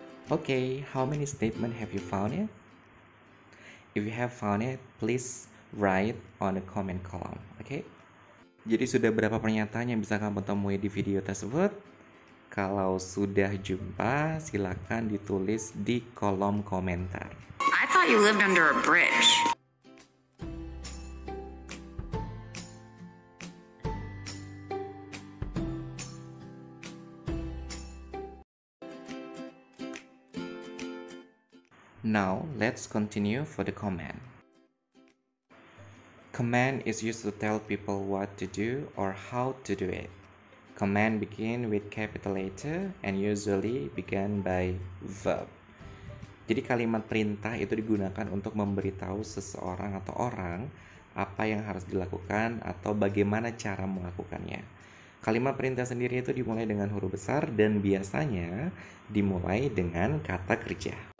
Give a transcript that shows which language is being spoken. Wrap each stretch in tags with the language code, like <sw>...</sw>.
<en>Okay, how many statements have you found it? If you have found it, please write on the comment column, okay?</en> <id>Jadi sudah berapa pernyataan yang bisa kamu temui di video tersebut? Kalau sudah jumpa, silakan ditulis di kolom komentar.</id> <en>I thought you lived under a bridge. Now, let's continue for the command. Command is used to tell people what to do or how to do it. Command begin with capital letter and usually begin by verb.</en> <id>Jadi kalimat perintah itu digunakan untuk memberitahu seseorang atau orang apa yang harus dilakukan atau bagaimana cara melakukannya. Kalimat perintah sendiri itu dimulai dengan huruf besar dan biasanya dimulai dengan kata kerja.</id>